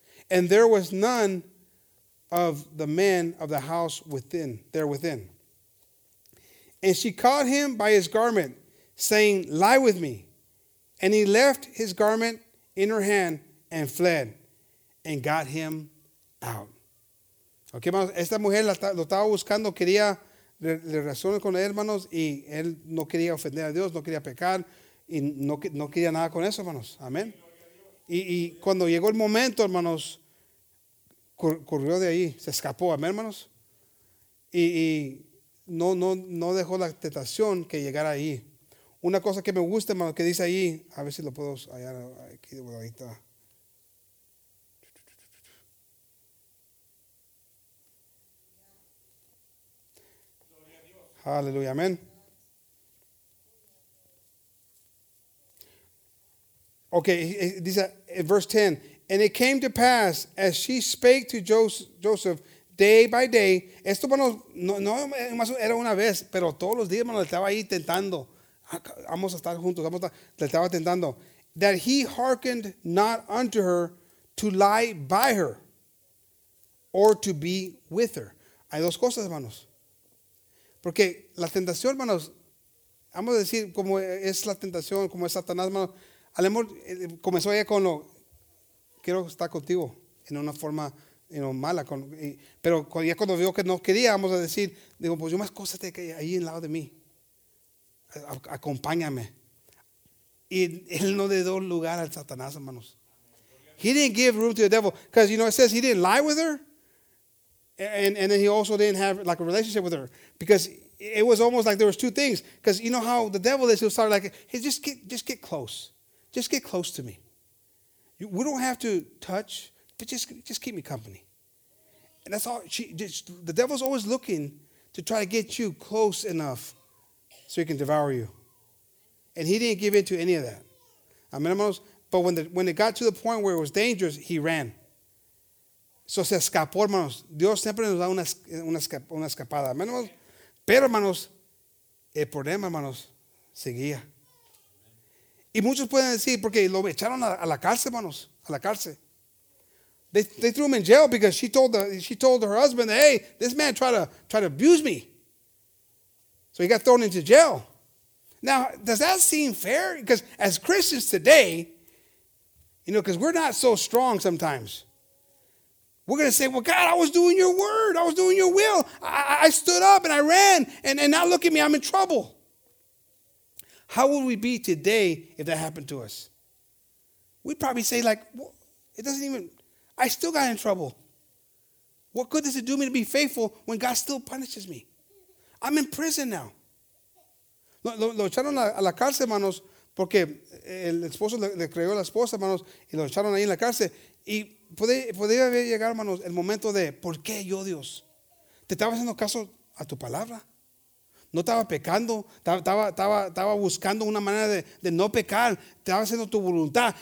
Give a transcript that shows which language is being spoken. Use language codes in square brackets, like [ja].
[en] And there was none of the men of the house within. And she caught him by his garment, saying, "Lie with me." And he left his garment in her hand and fled and got him out. [es] Okay, hermanos, esta mujer lo estaba buscando, quería relaciones con él, hermanos, y él no quería ofender a Dios, no quería pecar, y no quería nada con eso, hermanos. Amén. Y cuando llegó el momento, hermanos, corrió de ahí, se escapó, amén, hermanos. Y no dejó la tentación que llegara ahí. Una cosa que me gusta, hermano, que dice ahí, a ver si lo puedo hallar aquí de voladita. Aleluya, amén. [en] Okay, dice verse 10. And it came to pass, as she spake to Joseph day by day. [es] Esto, hermano, no más era una vez, pero todos los días, hermano, le estaba ahí tentando. Vamos a estar juntos, vamos a estar. Le estaba tentando. [en] That he hearkened not unto her to lie by her or to be with her. [es] Hay dos cosas, hermanos. Porque la tentación, hermanos, vamos a decir como es la tentación, como es Satanás, hermanos. Al amor, comenzó ella con lo, quiero estar contigo, en una forma, [en] you know, [es] mala. Pero ya cuando vio que no quería, vamos a decir, digo, pues yo más cosas te quedé ahí en lado de mí. Acompáñame. Y él no le dio lugar al Satanás, hermanos. [en] He didn't give room to the devil. Because, you know, it says he didn't lie with her. And then he also didn't have like a relationship with her. Because it was almost like there was two things. Because you know how the devil is, he'll start like, hey, just get close. Just get close to me. We don't have to touch, but just keep me company. And that's all. The devil's always looking to try to get you close enough so he can devour you. And he didn't give in to any of that. Amen, hermanos. But when it got to the point where it was dangerous, he ran. [es] So se escapó, hermanos. Dios siempre nos da una escapada. Amen, hermanos. Pero, hermanos, el problema, hermanos, seguía. Y muchos pueden decir, porque lo echaron a la cárcel, hermanos, a la cárcel. [en] They threw him in jail because she told her husband, hey, this man tried to abuse me. So he got thrown into jail. Now, does that seem fair? Because as Christians today, you know, because we're not so strong sometimes. We're going to say, well, God, I was doing your word. I was doing your will. I stood up and I ran. And now look at me, I'm in trouble. How would we be today if that happened to us? We'd probably say, like, well, it doesn't even, I still got in trouble. What good does it do me to be faithful when God still punishes me? I'm in prison now. [es] Lo echaron a la cárcel, hermanos, porque el esposo le creyó a la esposa, hermanos, y lo echaron ahí en la cárcel. Y podría haber llegado, hermanos, el momento de, ¿por qué yo, Dios? ¿Te estaba haciendo caso a tu palabra? No estaba pecando, estaba buscando una manera de no pecar, estaba haciendo tu voluntad.